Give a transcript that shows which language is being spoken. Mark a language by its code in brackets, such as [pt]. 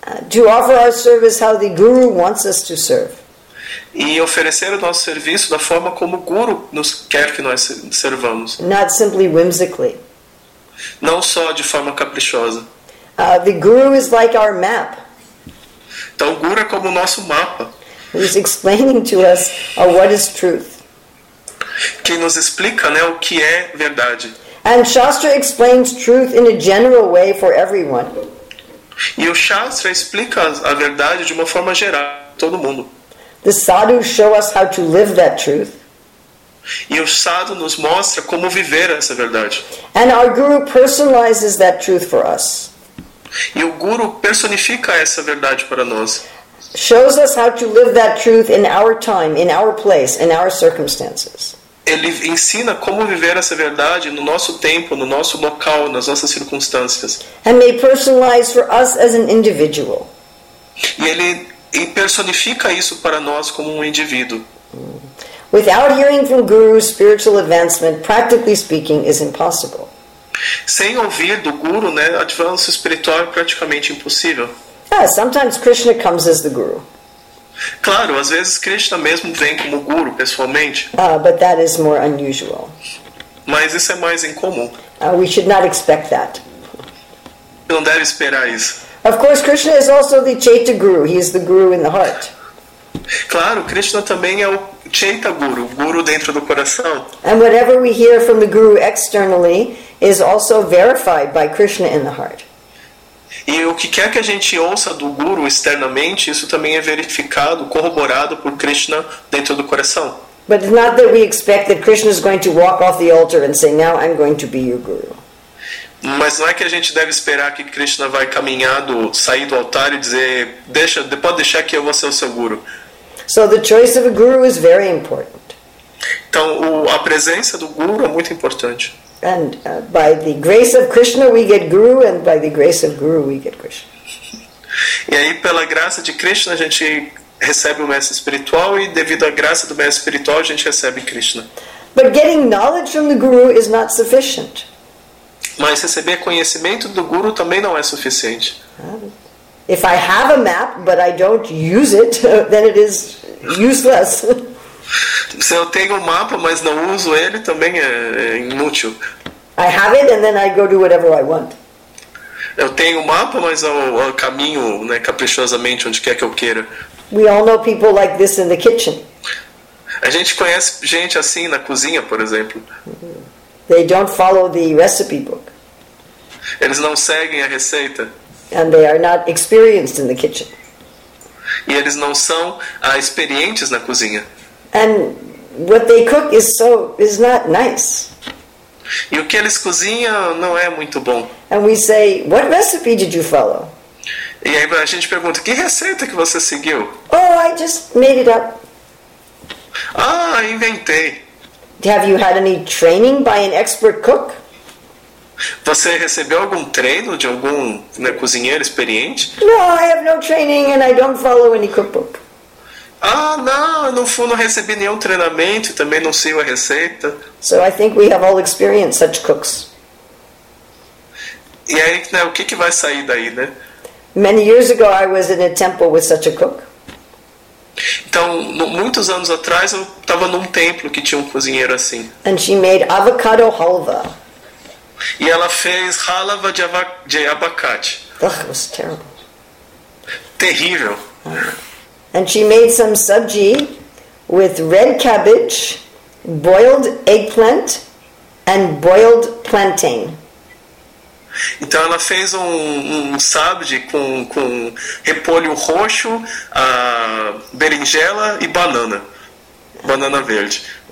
[en] To offer our service how the Guru wants us to serve. [pt] E oferecer o nosso serviço da forma como o Guru nos quer que nós servamos. [en] Not simply whimsically. [pt] Não só de forma caprichosa. [en] The Guru is like our map. [pt] Então o Guru é como o nosso mapa. [en] He's explaining to us what is truth. [pt] Que nos explica, né, o que é verdade. [en] And Shastra explains truth in a general way for everyone. [pt] E o Shastra explica a verdade de uma forma geral para todo mundo. [en] The sadhus show us how to live that truth. [pt] E o sadhu nos mostra como viver essa verdade. [en] And our guru personalizes that truth for us. [pt] E o guru personifica essa verdade para nós. [en] Shows us how to live that truth in our time, in our place, in our circumstances. [pt] Ele ensina como viver essa verdade no nosso tempo, no nosso local, nas nossas circunstâncias. [en] And may personalize for us as an individual. [pt] E ele personifica isso para nós como um indivíduo. [en] Without hearing from gurus, spiritual advancement, practically speaking, is impossible. [pt] Sem ouvir do guru, né, avanço espiritual é praticamente impossível. [en] Yeah, sometimes Krishna comes as the guru. [pt] Claro, às vezes Krishna mesmo vem como guru pessoalmente. [en] But that is more unusual. [pt] Mas isso é mais incomum. [en] We should not expect that. [pt] Não deve esperar isso. [en] Of course, Krishna is also the Chaita Guru. He is the guru in the heart. [pt] Claro, Krishna também é o Chaita Guru, o guru dentro do coração. [en] And whatever we hear from the guru externally is also verified by Krishna in the heart. [pt] E o que quer que a gente ouça do Guru externamente, isso também é verificado, corroborado por Krishna dentro do coração. [en] But it's not that we expect that Krishna is going to walk off the altar and say, now I'm going to be your Guru. [pt] Mas não é que a gente deve esperar que Krishna vai caminhar, sair do altar e dizer, pode deixar que eu vou ser o seu Guru. [en] So the choice of a Guru is very important. [pt] Então a presença do Guru é muito importante. [en] And by the grace of Krishna we get Guru, and by the grace of Guru we get Krishna. [pt] E aí pela graça de Krishna a gente recebe o mestre espiritual, e devido à graça do mestre espiritual a gente recebe Krishna. [en] But getting knowledge from the Guru is not sufficient. [pt] Mas receber conhecimento do Guru também não é suficiente. [en] If I have a map but I don't use it, then it is useless. [pt] Se eu tenho um mapa, mas não uso ele, também é inútil. [en] I have it and then I go do whatever I want. [pt] Eu tenho um mapa, mas eu caminho, né, caprichosamente onde quer que eu queira. [en] We all know people like this in the kitchen. [pt] A gente conhece gente assim na cozinha, por exemplo. [en] They don't follow the recipe book. [pt] Eles não seguem a receita. [en] And they are not experienced in the kitchen. [pt] E eles não são experientes na cozinha. [en] And what they cook is not nice. [pt] E o que eles cozinham não é muito bom. [en] And we say, what recipe did you follow? [pt] E aí a gente pergunta, que receita que você seguiu? [en] Oh, I just made it up. [pt] Ah, inventei. [en] Have you had any training by an expert cook? [pt] Você recebeu algum treino de algum, né, cozinheiro experiente? [en] No, I have no training and I don't follow any cookbook. [pt] Ah, não, eu não recebi nenhum treinamento, também não sei a receita. [en] So I think we have all experienced such cooks. [pt] E aí, né, o que vai sair daí, né? [en] Many years ago I was in a temple with such a cook. [pt] Então, muitos anos atrás, eu estava num templo que tinha um cozinheiro assim. [en] And she made avocado halva. [pt] E ela fez halva de abacate. [en] Ugh, it was terrible. [pt] Terrível. [en] And she made some sabji with red cabbage, boiled eggplant, and boiled plantain. [pt] Então ela fez um sabji com repolho roxo, berinjela e banana verde.